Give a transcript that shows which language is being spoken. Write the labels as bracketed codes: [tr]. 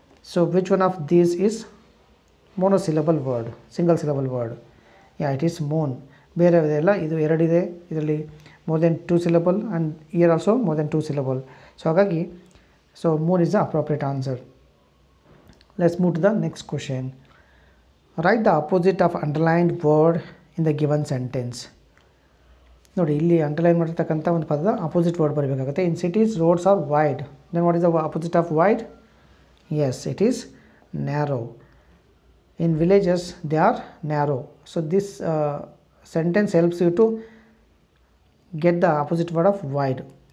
[en] So which one of these is mono syllable word, single syllable word. Yeah, it is moon. [kn] ಬೇರೆ ಇದೆಲ್ಲ, ಇದು ಎರಡಿದೆ, ಇದರಲ್ಲಿ [en] More than 2 syllable and ear also more than 2 syllable. So ಹಾಗಾಗಿ so moon is the appropriate answer. Let's move to the next question. Write the opposite of underlined word in the given sentence. [kn] ನೋಡಿ ಇಲ್ಲಿ underline ಮಾಡಿರ್ತಕ್ಕಂಥ ಒಂದು ಪದದ opposite word ಬರಬೇಕಾಗುತ್ತೆ. [en] In cities roads are wide, then what is the opposite of wide? Yes, it is narrow. In villages they are narrow. So this sentence helps you to get the opposite word of wide.